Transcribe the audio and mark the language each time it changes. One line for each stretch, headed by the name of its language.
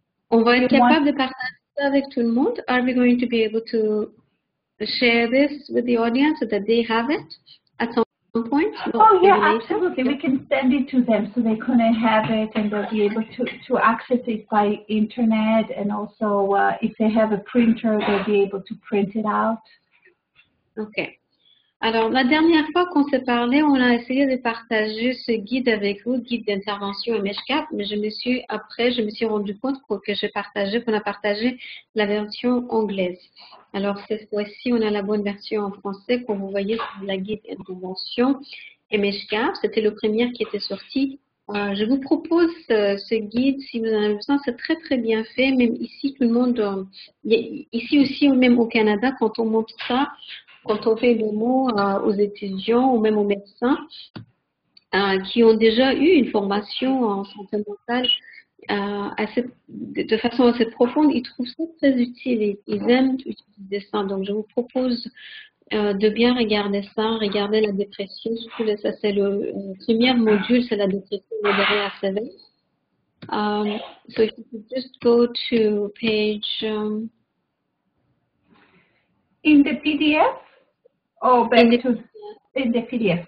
French: On va être capable de partager avec tout le monde?
English: Are we going to be able to share this with the audience so that they have it at some point? Oh yeah, absolutely. We can send it to them so they can have it, and they'll be able to access it by internet, and also if they have a printer, they'll be able to print it out. Okay.
French: Alors, la dernière fois qu'on s'est parlé, on a essayé de partager ce guide avec vous, guide d'intervention MHCAP, mais je me suis rendu compte que qu'on a partagé la version anglaise. Alors, cette fois-ci, on a la bonne version en français, comme vous voyez sur la guide d'intervention MHCAP. C'était le premier qui était sorti. Je vous propose ce guide, si vous en avez besoin, c'est très très bien fait, même ici, tout le monde, ici aussi, même au Canada, quand on montre ça, quand on fait le mot aux étudiants ou même aux médecins qui ont déjà eu une formation en santé mentale de façon assez profonde, ils trouvent ça très utile et ils aiment utiliser ça. Donc, je vous propose de bien regarder ça, regarder la dépression. Je trouve que ça, c'est le premier module, c'est la dépression modérée à sévère.
English: So, if you could just go to page... In the PDF? Oh, back in the, to in the PDF.